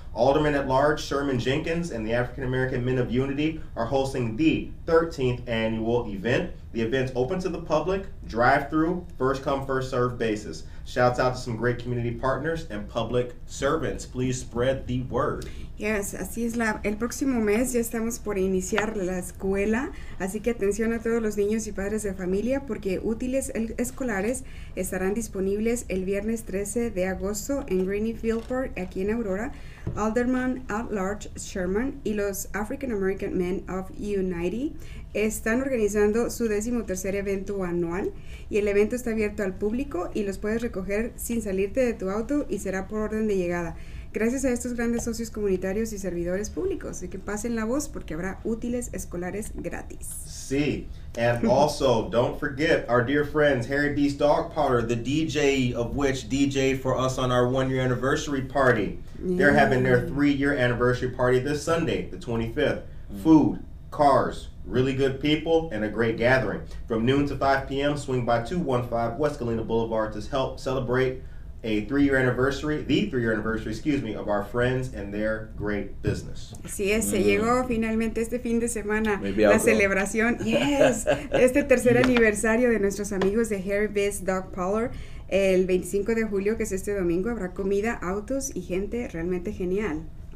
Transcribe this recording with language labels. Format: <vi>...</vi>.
<en>Alderman-at-Large Sherman Jenkins and the African-American Men of Unity are hosting the 13th annual event. The event's open to the public, drive-through, first-come, first-served basis. Shouts out to some great community partners and public servants. Please spread the word.</en> <es>Yes, así es. El próximo mes ya estamos por iniciar la escuela, así que atención a todos los niños y padres de familia porque útiles escolares estarán disponibles el viernes 13 de agosto en Greenfield Park, aquí en Aurora, Alderman at Large Sherman y los African American Men of Unity están organizando su 13th evento anual y el evento está abierto al público y los puedes recoger sin salirte de tu auto y será por orden de llegada. Gracias a estos grandes socios comunitarios y servidores públicos. Así que pasen la voz porque habrá útiles escolares gratis. Sí.</es> <en>And also, don't forget our dear friends, Harry Beast Dog Powder, the DJ of which DJed for us on our one-year anniversary party. Yeah. They're having their three-year anniversary party this Sunday, the 25th. Mm-hmm. Food, cars, really good people, and a great gathering. From noon to 5 p.m., swing by 215 West Galena Boulevard to help celebrate the three-year anniversary, of our friends and their great business.</en> <es>Sí, se llegó finalmente este fin de semana la celebración. Yes, este tercer aniversario de nuestros amigos de Harry Beast Dog Parlor. El 25 de julio, que es este domingo, habrá comida, autos y gente realmente genial.</es>